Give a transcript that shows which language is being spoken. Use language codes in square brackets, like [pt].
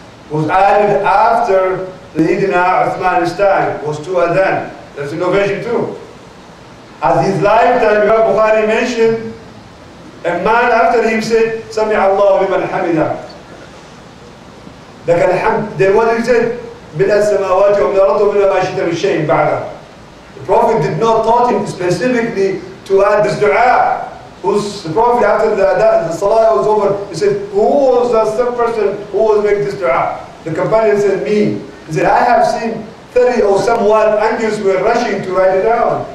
[en] was added after the Idina Uthman's time, was two Adhan. That's innovation too. At his lifetime, Imam Bukhari mentioned, a man after him said, Sami'a Allah liman hamida. [ar] لك الحمد. [en] Then what did he say? [ar] من السماوات ومن الأرض ومن ما شئت من شيء بعده. [en] The Prophet did not taught him specifically to add this dua. Who's the Prophet after the salah was over? He said, who was the third person who was making this dua? The companion said, me. He said, I have seen 30 or somewhat angels were rushing to write it down.